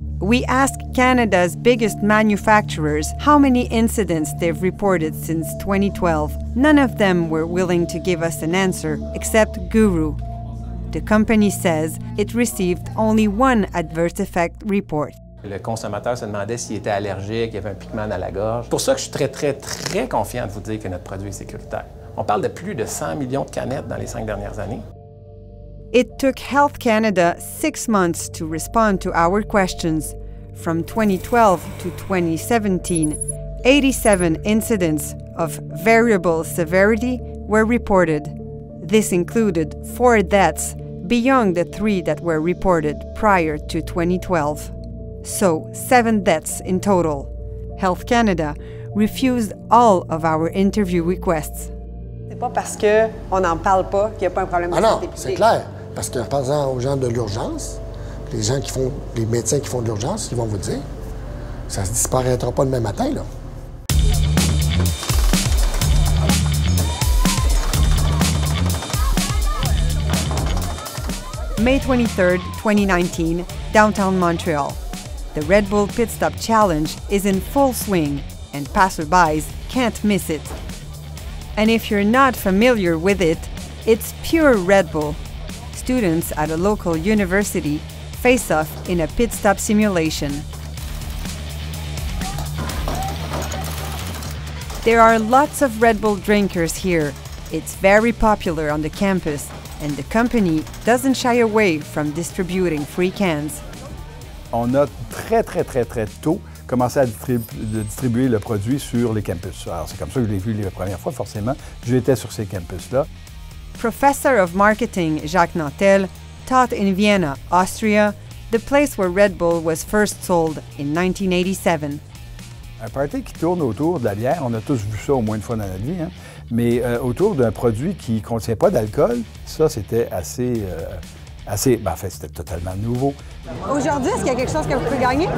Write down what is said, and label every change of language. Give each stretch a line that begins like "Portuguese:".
English: We asked Canada's biggest manufacturers how many incidents they've reported since 2012. None of them were willing to give us an answer, except Guru. The company says it received only one adverse effect report.
French: Le consommateur se demandait s'il était allergique, il y avait un piquement dans la gorge. C'est pour ça que je suis très, très, très confiant de vous dire que notre produit est sécuritaire. On parle de plus de 100 millions de canettes dans les 5 dernières années.
English: It took Health Canada 6 months to respond to our questions. From 2012 to 2017, 87 incidents of variable severity were reported. This included 4 deaths beyond the 3 that were reported prior to 2012. So, 7 deaths in total. Health Canada refused all of our interview requests.
French: C'est pas parce que on en parle pas qu'il y a pas un problème de santé publique. Ah non, c'est clair. Parce qu'en parlant aux gens de l'urgence, les gens qui font, les médecins qui font de l'urgence, ils vont vous dire, ça ne disparaîtra pas demain matin, là.
English: May 23rd, 2019, downtown Montreal. The Red Bull Pit Stop Challenge is in full swing, and passerbys can't miss it. And if you're not familiar with it, it's pure Red Bull. Students at a local university face off in a pit stop simulation. There are lots of Red Bull drinkers here. It's very popular on the campus, and the company doesn't shy away from distributing free cans.
French: On a très, très, très, très tôt commencé à distribuer le produit sur les campus. Alors, c'est comme ça que je l'ai vu la première fois, forcément. J'étais sur ces campus-là.
English: Professor of Marketing Jacques Nantel taught in Vienna, Austria, the place where Red Bull was first sold in 1987.
French: Un party qui tourne autour de la bière, on a tous vu ça au moins une fois dans notre vie, hein? Mais autour d'un produit qui ne contient pas d'alcool, ça, c'était assez... En fait, c'était totalement nouveau. Aujourd'hui, est-ce qu'il y a quelque chose que vous pouvez gagner?